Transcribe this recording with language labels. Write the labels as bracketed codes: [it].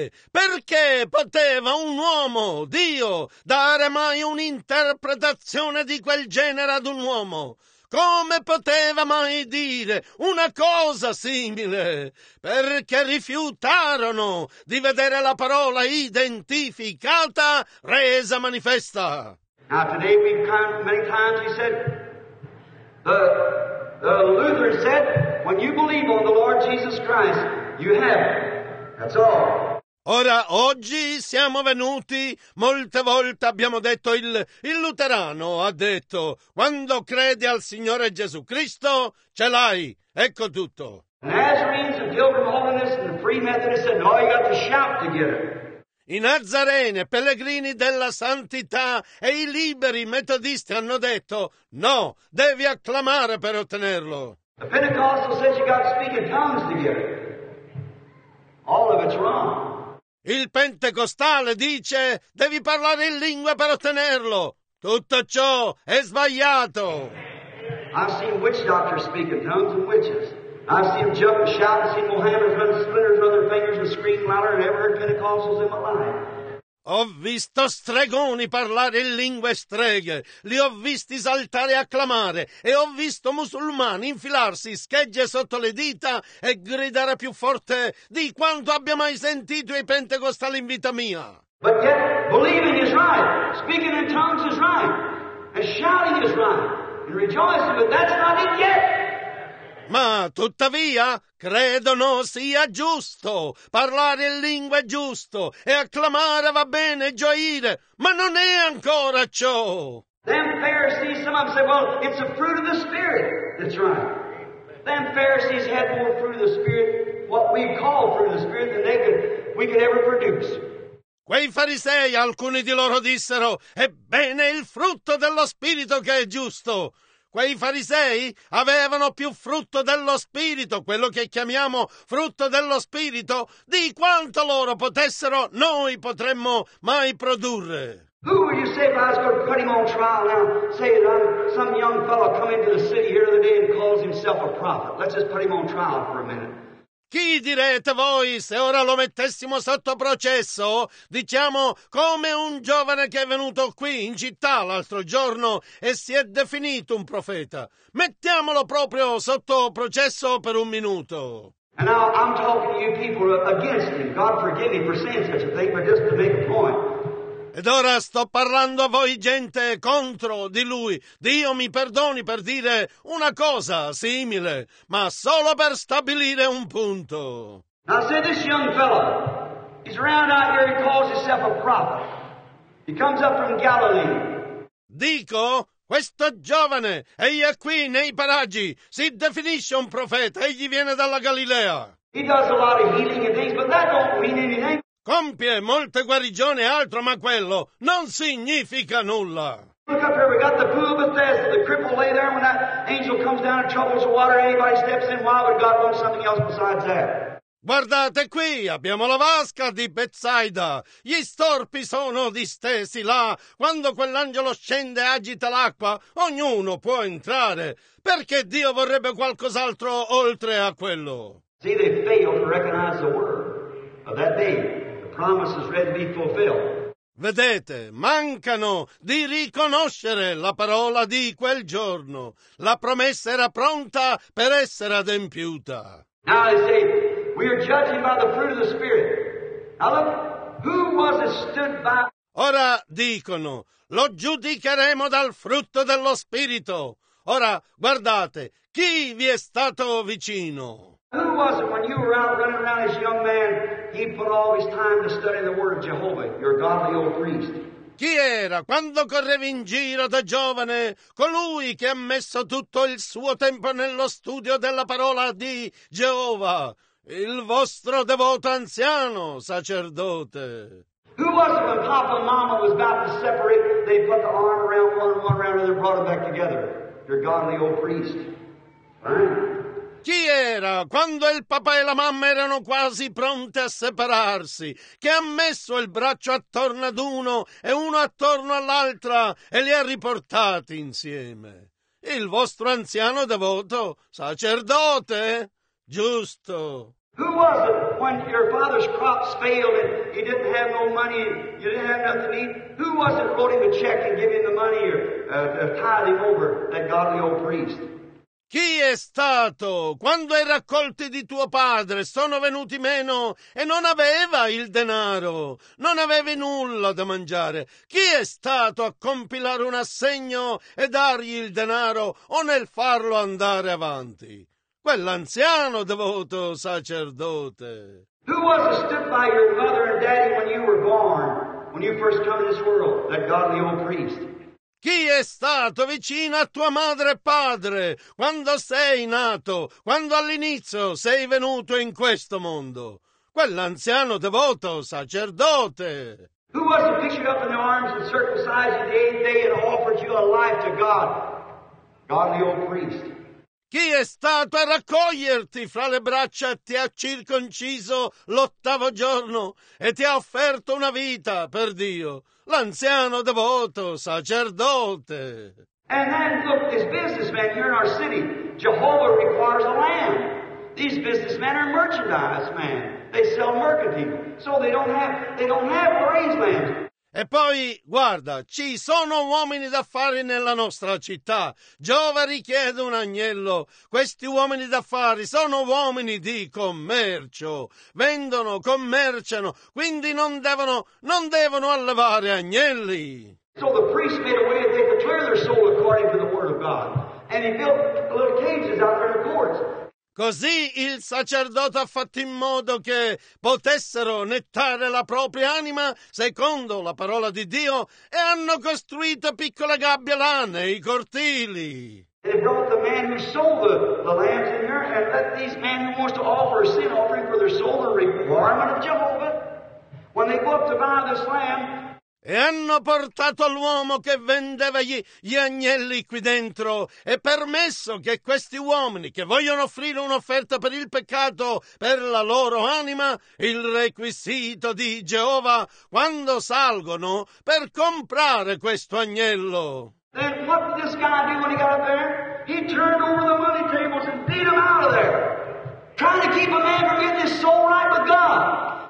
[it] Perché poteva un uomo, Dio, dare mai un'interpretazione di quel genere ad un uomo? Come poteva mai dire una cosa simile? Perché rifiutarono di vedere la parola identificata resa manifesta. [en] Now today we've come many times, he said, the Luther said, when you believe on the Lord Jesus Christ, you have... That's all. [it] Ora, oggi siamo venuti, molte volte abbiamo detto, il luterano ha detto, quando credi al Signore Gesù Cristo, ce l'hai, ecco tutto. [en] Nazarenes and Pilgrim Holiness and the Free Methodists said, no, you got to shout to get it. [it] I Nazarene, pellegrini della santità e i liberi metodisti hanno detto, no, devi acclamare per ottenerlo. [en] The Pentecostal says you got to speak in tongues to get it. All of it's wrong. [it] Il pentecostale dice devi parlare in lingua per ottenerlo. Tutto ciò è sbagliato. [en] I've seen witch doctors speak in tongues and witches. I've seen them jump and shout and seen Mohammeds run splinters on their fingers and scream louder than ever heard Pentecostals in my life. [it] Ho visto stregoni parlare in lingue streghe, li ho visti saltare e acclamare, e ho visto musulmani infilarsi schegge sotto le dita e gridare più forte di quanto abbia mai sentito i pentecostali in vita mia. [en] But yet, believing is right, speaking in tongues is right, and shouting is right, and rejoicing, but that's not it yet. [it] Ma tuttavia credono sia giusto parlare in lingua giusto e acclamare va bene gioire, ma non è ancora ciò. [en] Them Pharisees, some of them say, well, it's a fruit of the Spirit. That's right. Them Pharisees had more fruit of the Spirit, what we call fruit of the Spirit, than we could ever produce. [it] Quei farisei, alcuni di loro dissero, ebbene il frutto dello Spirito che è giusto. Quei farisei avevano più frutto dello spirito, quello che chiamiamo frutto dello spirito, di quanto loro potessero, noi potremmo mai produrre. [en] Who would you say if I was going to put him on trial now? Say that I'm some young fellow come into the city here the day and calls himself a prophet. Let's just put him on trial for a minute. [it] Chi direte voi se ora lo mettessimo sotto processo? Diciamo come un giovane che è venuto qui in città l'altro giorno e si è definito un profeta. Mettiamolo proprio sotto processo per un minuto. [en] And now I'm talking to you people against him. God forgive me for saying such a thing, but just to make a point. [it] Ed ora sto parlando a voi gente contro di lui. Dio mi perdoni per dire una cosa simile, ma solo per stabilire un punto. [en] Now say this young fellow, he's around out here, he calls calls himself a prophet. He comes up from Galilee. [it] Dico, questo giovane, egli è qui nei paraggi, si definisce un profeta, egli viene dalla Galilea. [en] He does a lot of healing and things, but that don't mean anything. [it] Compie molte guarigioni e altro, ma quello non significa nulla. [en] Look up here, we got the pool of Bethesda. The cripple lay there, when that angel comes down and troubles the water, anybody steps in, why would God want something else besides that? [it] Guardate qui, abbiamo la vasca di Bethsaida. Gli storpi sono distesi là. Quando quell'angelo scende e agita l'acqua, ognuno può entrare. Perché Dio vorrebbe qualcos'altro oltre a quello? [en] See, they failed to recognize the word of that day. The promise is ready to be fulfilled. [it] Vedete, mancano di riconoscere la parola di quel giorno. La promessa era pronta per essere adempiuta. [en] Now they say, we are judging by the fruit of the Spirit. Now look, who was it stood by? [it] Ora dicono, lo giudicheremo dal frutto dello Spirito. Ora guardate, chi vi è stato vicino? [en] Who was it when you were out running around as a young man, he put all his time to study the word of Jehovah, your godly old priest? [it] Chi era, quando correvi in giro da giovane, colui che ha messo tutto il suo tempo nello studio della parola di Geova, il vostro devoto anziano sacerdote? [en] Who was it when Papa and Mama was about to separate, they put the arm around one and one around and they brought them back together, your godly old priest? [it] Chi era, quando il papà e la mamma erano quasi pronte a separarsi, che ha messo il braccio attorno ad uno e uno attorno all'altra e li ha riportati insieme? Il vostro anziano devoto, sacerdote, giusto. [en] Who was it when your father's crops failed and he didn't have no money and you didn't have nothing to eat? Who was it wrote him a check and gave him the money or tied him over, that godly old priest? [it] Chi è stato, quando i raccolti di tuo padre sono venuti meno e non aveva il denaro, non avevi nulla da mangiare, chi è stato a compilare un assegno e dargli il denaro o nel farlo andare avanti? Quell'anziano devoto sacerdote. [en] Who was it stood by your mother and daddy when you were born, when you first come in this world, that godly old priest? [it] Chi è stato vicino a tua madre e padre quando sei nato, quando all'inizio sei venuto in questo mondo? Quell'anziano devoto sacerdote. [en] Who was it picked up in the arms and circumcised you the eighth day and offered you a life to God? God the old priest. [it] Chi è stato a raccoglierti fra le braccia e ti ha circonciso l'ottavo giorno e ti ha offerto una vita per Dio? L'anziano devoto sacerdote. [en] And then look, these businessmen here in our city, Jehovah requires a land. These businessmen are merchandise men. They sell mercantile. So they don't have grazed land. [it] E poi, guarda, ci sono uomini d'affari nella nostra città. Giova richiede un agnello. Questi uomini d'affari sono uomini di commercio. Vendono, commerciano, quindi non devono allevare agnelli. [en] So the priest made a way that they could clear their soul according to the word of God. And he built little cages out there in the courts. [it] Così il sacerdote ha fatto in modo che potessero nettare la propria anima secondo la parola di Dio e hanno costruito piccola gabbia là nei cortili. [en] And they brought the man who sold the lambs in here and let these men who wants to offer a sin offering for their soul the requirement of Jehovah when they go up to buy this lamb. [it] E hanno portato l'uomo che vendeva gli agnelli qui dentro e permesso che questi uomini che vogliono offrire un'offerta per il peccato, per la loro anima, il requisito di Geova, quando salgono per comprare questo agnello. [en] Then what did this guy do when he got up there? He turned over the money tables and beat him out of there. Trying to keep a man from getting his soul right with God.